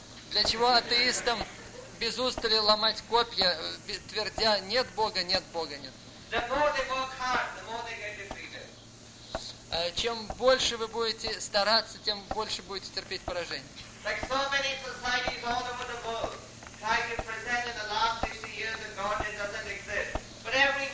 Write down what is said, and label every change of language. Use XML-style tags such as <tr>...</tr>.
<ru>Для чего атеистам без устали ломать копья, твердя «нет Бога, нет Бога, нет».</ru> <en>The more they work hard, the more they get defeated.</en> <ru>Чем больше вы будете стараться, тем больше будете терпеть поражение.</ru> <en>Like so many societies all over the world try to present in the last 60 years that God doesn't exist. But every</en>